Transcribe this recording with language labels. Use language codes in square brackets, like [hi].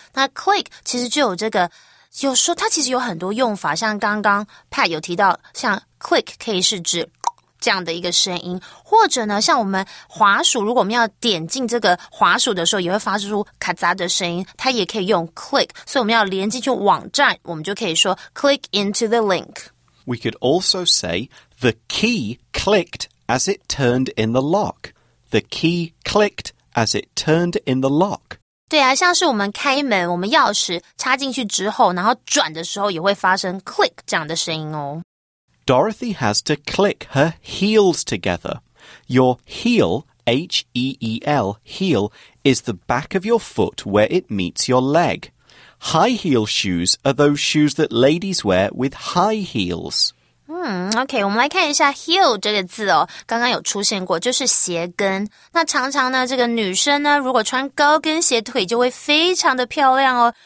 [zh] 那 click 其实就有这个有说它其实有很多用法像刚刚 Pat 有提到像 click 可以是指这样的一个声音或者呢像我们滑鼠如果我们要点进这个滑鼠的时候也会发出咔嚓的声音它也可以用 click 所以我们要连进去网站我们就可以说 [en] click into the link We could also say the key clicked as it turned in the lock The key clicked as it turned in the lock [zh] 对啊，像是我们开门，我们钥匙插进去之后，然后转的时候也会发生 click 这样的声音哦。 [en] Dorothy has to click her heels together. Your heel, H-E-E-L, heel, is the back of your foot where it meets your leg. High heel shoes are those shoes that ladies wear with high heels. [zh] OK, 我们来看一下 heel 这个字哦，刚刚有出现过，就是鞋跟。那常常呢，这个女生呢，如果穿高跟鞋，腿就会非常的漂亮哦。